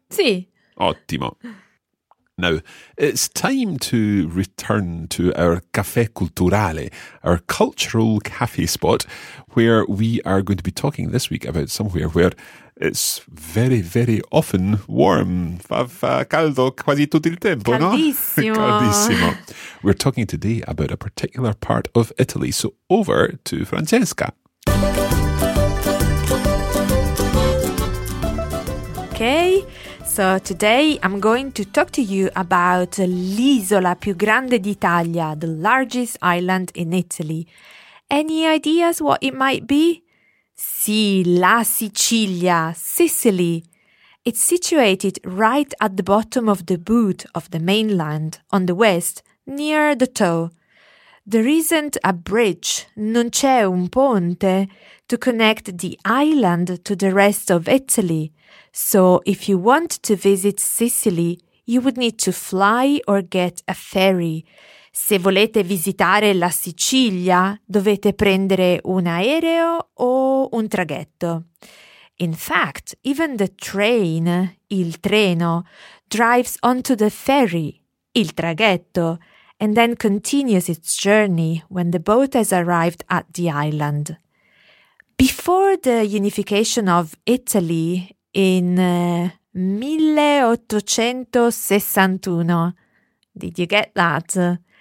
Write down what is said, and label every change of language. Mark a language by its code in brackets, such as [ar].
[it] Sì. Ottimo. [en] Now, it's time to return to our [it] caffè culturale, [en] our cultural cafe spot, where we are going to be talking this week about somewhere where it's very, very often warm. [it] Fa caldo quasi tutto il tempo, caldissimo. No? Caldissimo. [en] We're talking today about a particular part of Italy. So over to Francesca. Okay. So today I'm going to talk to you about [it] l'isola più grande d'Italia, [en] the largest island in Italy. Any ideas what it might be? [it] Sì, la Sicilia, [en] Sicily. It's situated right at the bottom of the boot of the mainland, on the west, near the toe. There isn't a bridge, [it] non c'è un ponte, [en] to connect the island to the rest of Italy. So if you want to visit Sicily, you would need to fly or get a ferry. [it] Se volete visitare la Sicilia, dovete prendere un aereo o un traghetto. [en] In fact, even the train, [it] il treno, [en] drives onto the ferry, [it] il traghetto, [en] and then continues its journey when the boat has arrived at the island. Before the unification of Italy in 1861, did you get that?